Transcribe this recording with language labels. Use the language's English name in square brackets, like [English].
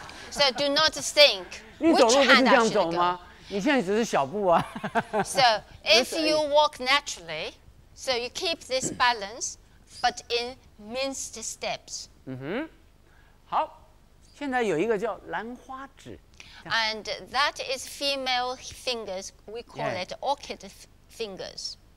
[English] So do not think which hand I should go. [Chinese] 你走路不是这样走吗?你现在只是小步啊。 [English] So if you walk naturally, so you keep this balance, but in minced steps. [Chinese] 嗯哼,好。现在有一个叫兰花指, [English] and that is female fingers, we call it orchid fingers.